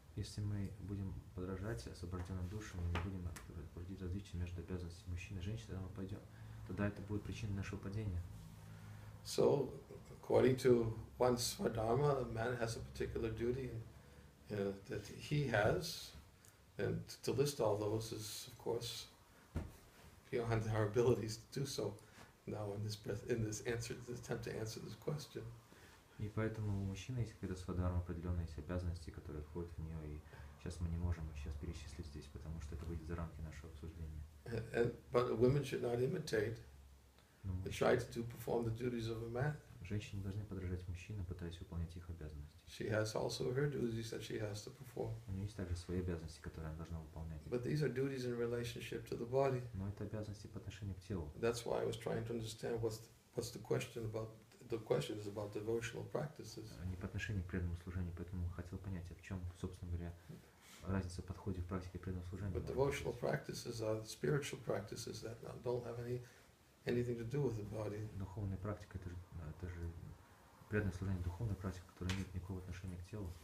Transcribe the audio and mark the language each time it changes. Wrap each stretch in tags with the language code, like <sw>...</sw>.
<ru>Если мы будем подражать освобожденным душам, мы не будем проводить различия между обязанностями мужчин и женщин, тогда мы пойдем, тогда это будет причиной нашего падения.</ru> <en>So, according to one Swadharma, a man has a particular duty that he has, and to list all those is, of course, beyond our abilities to do so. now in this answer, this attempt to answer this question.</en> <ru>И поэтому у мужчины есть какая-то свадхарма, определенные есть обязанности, которые входят в нее, и сейчас мы не можем их сейчас перечислить здесь, потому что это выйдет за рамки нашего обсуждения.</ru> <en>But women should not imitate, but try to perform the duties of a man.</en> <ru>Женщины должны подражать мужчинам, пытаясь выполнять их обязанности.</ru> <en>She has also her duties that she has to perform.</en> <ru>У нее есть также свои обязанности, которые она должна выполнять.</ru> <en>But these are duties in relationship to the body.</en> <ru>Но это обязанности по отношению к телу.</ru> <en>That's why I was trying to understand what's the question about. The question is about devotional practices.</en> <ru>Не по отношению к преданному служению, поэтому хотел понять, в чем, собственно говоря, разница в подходе в практике преданного служения.</ru> <en>But devotional practices are spiritual practices that don't have anything to do with the body.</en> <ru>Духовная практика это же преданное служение, духовная практика, которая имеет никакого отношения к телу.</ru>